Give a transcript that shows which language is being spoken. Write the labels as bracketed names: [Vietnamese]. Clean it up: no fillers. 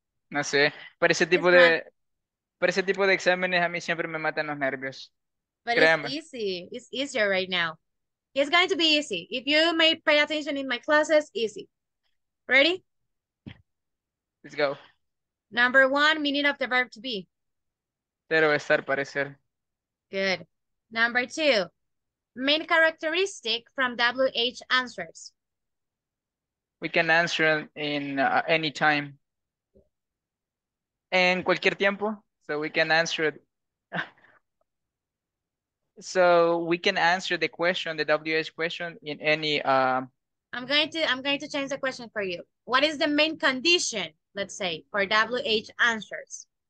[Spanish] No sé, para ese tipo de exámenes a mí siempre me matan los nervios. [English] But it's easier right now. It's going to be easy. If you may pay attention in my classes, easy. Ready? Let's go. Number 1, meaning of the verb to be. [Spanish] Ser, estar, parecer. [English] Good. Number 2, main characteristic from WH answers. We can answer in any time. [Spanish] En cualquier tiempo, [English] so we can answer it. So we can answer the question, the WH question, in any... I'm going to change the question for you. What is the main condition, let's say, for WH answers?